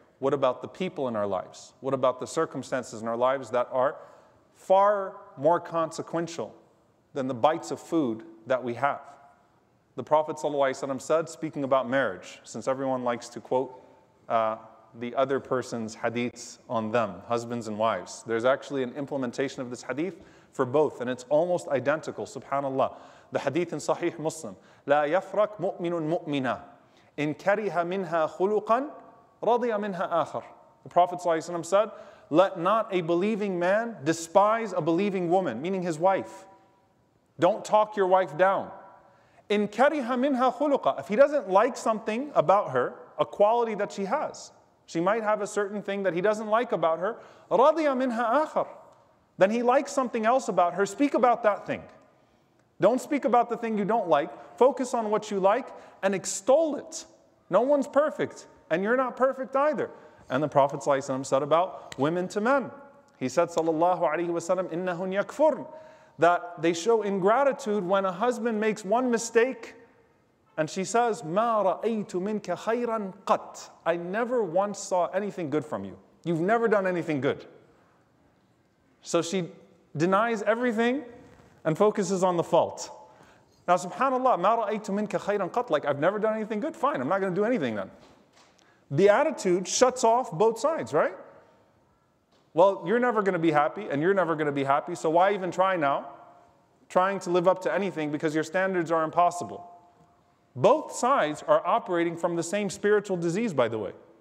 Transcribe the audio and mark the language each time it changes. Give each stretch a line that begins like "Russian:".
English: What about the people in our lives? What about the circumstances in our lives that are far more consequential than the bites of food that we have? The Prophet ﷺ said, speaking about marriage, since everyone likes to quote the other person's hadiths on them, husbands and wives, there's actually an implementation of this hadith for both, and it's almost identical, subhanAllah. The hadith in Sahih Muslim,
Arabic: لَا يَفْرَكْ مُؤْمِنٌ مُؤْمِنًا إِنْ كَرِهَ مِنْهَا خُلُقًا رَضِيَ مِنْهَا آخر.
English: The Prophet ﷺ said, let not a believing man despise a believing woman, meaning his wife. Don't talk your wife down.
Arabic: إِنْ كَرِهَ مِنْهَا خُلُقًا.
English: If he doesn't like something about her, a quality that she has, she might have a certain thing that he doesn't like about her,
Arabic: رَضِيَ مِنْهَا آخر.
English: Then he likes something else about her, speak about that thing. Don't speak about the thing you don't like. Focus on what you like and extol it. No one's perfect, and you're not perfect either. And the Prophet ﷺ said about women to men. He said, sallallahu alayhi wa sallam,
Arabic: innahun yakfurn,
English: that they show ingratitude when a husband makes one mistake, and she says,
Arabic: ma ra'aytu minka khayran qat.
English: I never once saw anything good from you. You've never done anything good. So she denies everything and focuses on the fault.
Arabic: Now subhanAllah, مَا رَأَيْتُ مِنْكَ خَيْرًا قَطْ.
English: Like, I've never done anything good, fine, I'm not gonna do anything then. The attitude shuts off both sides, right? Well, you're never gonna be happy and you're never gonna be happy, so why even try now, trying to live up to anything because your standards are impossible. Both sides are operating from the same spiritual disease, by the way.